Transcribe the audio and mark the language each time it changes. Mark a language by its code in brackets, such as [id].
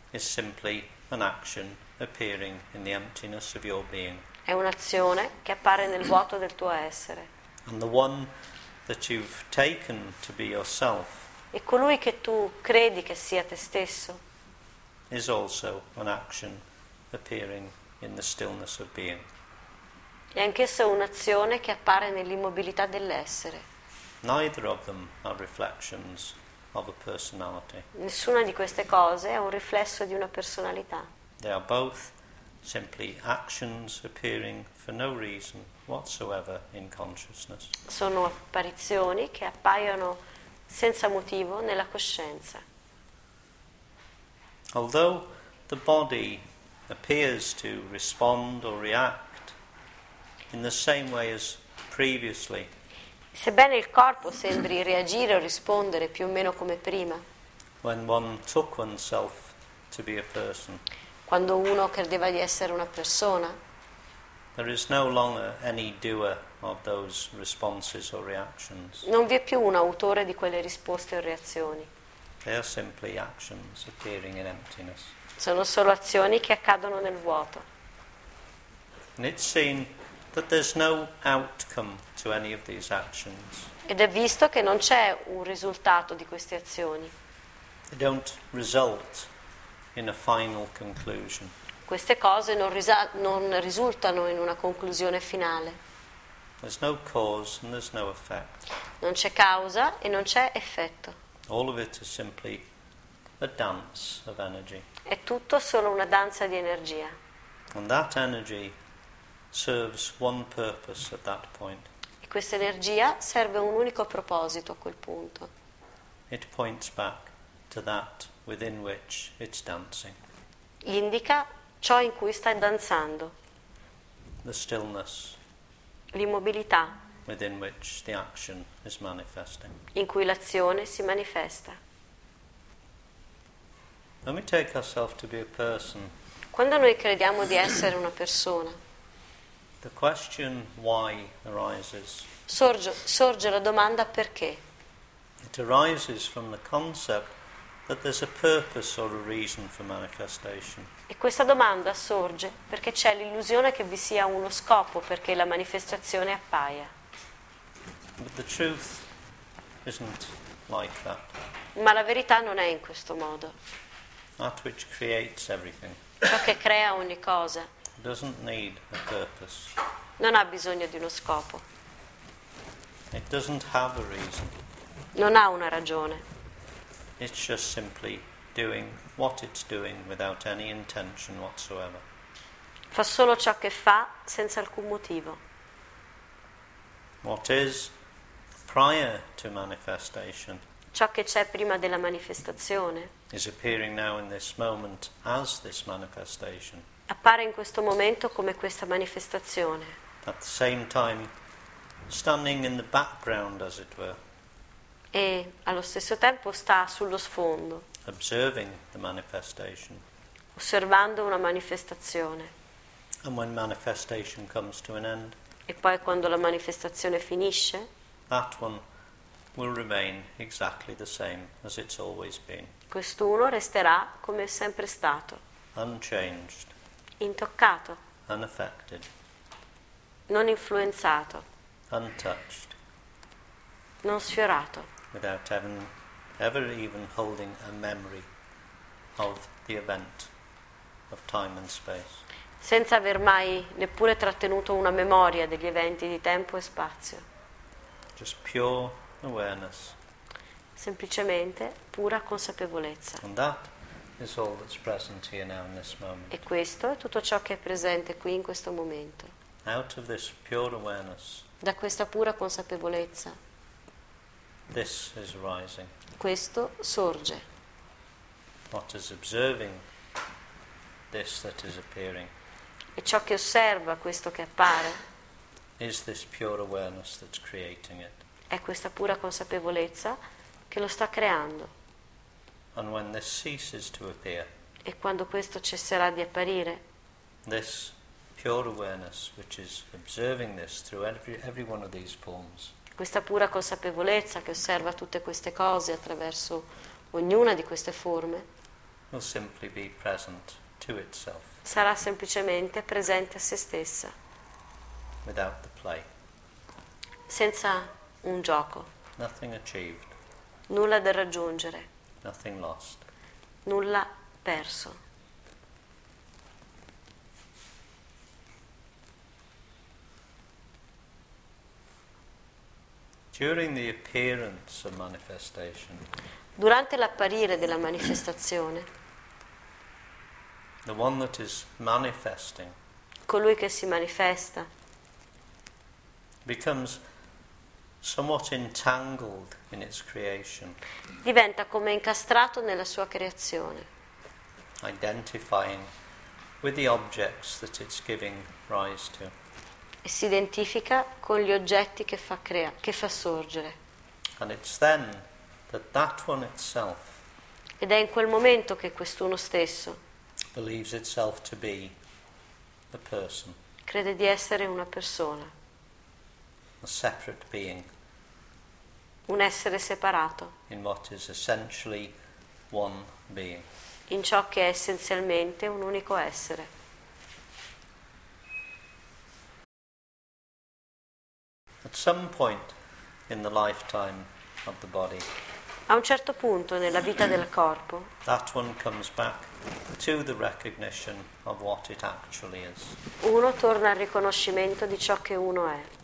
[en] Is simply an action appearing in the emptiness of your being. [it] È un'azione che appare nel vuoto del tuo essere. [en] And the one that you've taken to be yourself. [it] E colui che tu credi che sia te stesso. [en] Is also an action appearing in the stillness of being. [it] È anch'essa un'azione che appare nell'immobilità dell'essere. [en] Neither of them are reflections of a personality. [it] Nessuna di queste cose è un riflesso di una personalità. [en] They are both simply actions appearing for no reason whatsoever in consciousness. [it] Sono apparizioni che appaiono senza motivo nella coscienza. [en] Although the body appears to respond or react in the same way as previously. [it] Sebbene il corpo sembri reagire o rispondere più o meno come prima. [en] When one took oneself to be a person. [it] Quando uno credeva di essere una persona. [en] There is no longer any doer of those responses or reactions. [it] Non vi è più un autore di quelle risposte o reazioni. [en] They are simply actions appearing in emptiness. [it] Sono solo azioni che accadono nel vuoto. [en] And it's seen that there's no outcome to any of these actions. [it] Ed è visto che non c'è un risultato di queste azioni. [en] They don't result in a final conclusion. [it] Queste cose non risultano in una conclusione finale. [en] There's no cause and there's no effect. [it] Non c'è causa e non c'è effetto. [en] All of it is simply a dance of energy. [it] È tutto solo una danza di energia. [en] And that energy serves one purpose at that point. [it] E questa energia serve un unico proposito a quel punto. [en] It points back to that within which it's dancing. [it] Indica ciò in cui sta danzando. [en] The stillness. [it] L'immobilità. [en] Within which the action is manifesting. [it] In cui l'azione si manifesta. [en] When we take ourselves to be a person. [it] Quando noi crediamo di essere una persona. [en] The question why arises. [it] Sorge la domanda perché. [en] It arises from the concept that there's a purpose or a reason for manifestation. [it] E questa domanda sorge perché c'è l'illusione che vi sia uno scopo perché la manifestazione appaia. [en] But the truth isn't like that. [it] Ma la verità non è in questo modo. [en] That which creates everything. [it] Ciò che crea ogni cosa. [en] Doesn't need a purpose. [it] Non ha bisogno di uno scopo. [en] It doesn't have a reason. [it] Non ha una ragione. [en] It's just simply doing what it's doing without any intention whatsoever. [it] Fa solo ciò che fa senza alcun motivo. [en] What is prior to manifestation? [it] Ciò che c'è prima della manifestazione. [en] Is appearing now in this moment as this manifestation. [it] Appare in questo momento come questa manifestazione. [en] At the same time, standing in the background, as it were. [it] E allo stesso tempo sta sullo sfondo. [en] Observing the manifestation. [it] Osservando una manifestazione. [en] And when manifestation comes to an end. [it] E poi quando la manifestazione finisce. [en] That one will remain exactly the same as it's always been. [it] Quest'uno resterà come è sempre stato. [en] Unchanged. [it] Intoccato. [en] Unaffected. [it] Non influenzato. [en] Untouched. [it] Non sfiorato. [en] Without ever even holding a memory of the event of time and space. [it] Senza aver mai neppure trattenuto una memoria degli eventi di tempo e spazio. [en] Just pure awareness. [it] Semplicemente pura consapevolezza. [en] And that is all that's present here now in this moment. [it] E questo è tutto ciò che è presente qui in questo momento. [en] Out of this pure awareness. [it] Da questa pura consapevolezza. [en] This is rising. [it] Questo sorge. [en] What is observing this that is appearing? [it] E ciò che osserva questo che appare? [en] Is this pure awareness that's creating it? [it] È questa pura consapevolezza che lo sta creando. [en] And when this ceases to appear? [it] E quando questo cesserà di apparire? [en] This pure awareness which is observing this through every one of these forms. [it] Questa pura consapevolezza che osserva tutte queste cose attraverso ognuna di queste forme [en] will simply be present to itself. [it] Sarà semplicemente presente a se stessa. [en] Without the play. [it] Senza un gioco. [en] Nothing achieved. [it] Nulla da raggiungere. [en] Nothing lost. [it] Nulla perso. [en] During the appearance of manifestation. [it] Durante l'apparire della manifestazione. [en] The one that is manifesting. [it] Colui che si manifesta. [en] Becomes somewhat entangled in its creation. [it] Diventa come incastrato nella sua creazione. [en] Identifying with the objects that it's giving rise to. [it] E si identifica con gli oggetti che fa che fa sorgere. [en] And it's then that that one itself. [it] Ed è in quel momento che quest'uno stesso. [en] Believes itself to be a person. [it] Crede di essere una persona. [en] A separate being. [it] Un essere separato. [en] In what is essentially one being. [it] In ciò che è essenzialmente un unico essere. [en] At some point in the lifetime of the body. [it] A un certo punto nella vita del corpo. [en] That one comes back to the recognition of what it actually is. [it] Uno torna al riconoscimento di ciò che uno è.